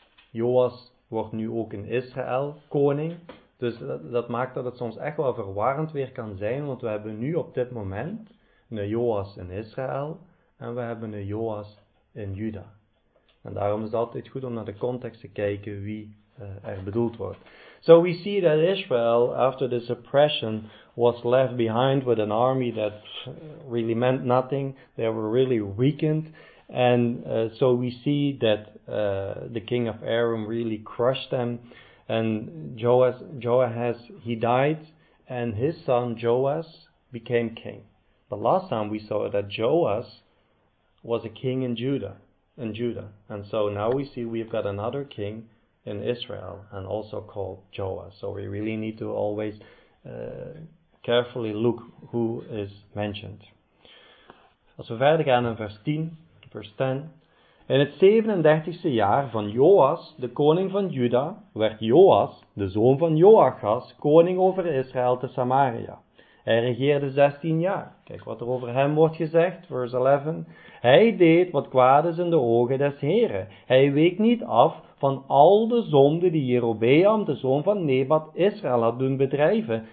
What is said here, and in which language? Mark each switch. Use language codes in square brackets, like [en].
[nl] Joas wordt nu ook in Israël koning. Dus dat maakt dat het soms echt wel verwarrend weer kan zijn, want we hebben nu op dit moment een Joas in Israël en we hebben een Joas in Juda. En daarom is het altijd goed om naar de context te kijken wie er bedoeld wordt. [en] So we see that Israel, after this oppression, was left behind with an army that really meant nothing. They were really weakened. And so we see that the king of Aram really crushed them. And Joash, he died, and his son Joash became king. The last time we saw that Joash was a king in Judah. And so now we see we've got another king in Israel, and also called Joash. So we really need to always carefully look who is mentioned. [nl] Als we verder gaan in vers 10. In het 37e jaar van Joas, de koning van Juda, werd Joas, de zoon van Joachas, koning over Israël te Samaria. Hij regeerde 16 jaar. Kijk wat er over hem wordt gezegd, vers 11. Hij deed wat kwaad is in de ogen des Heren. Hij week niet af van al de zonden die Jerobeam, de zoon van Nebat, Israël had doen bedrijven.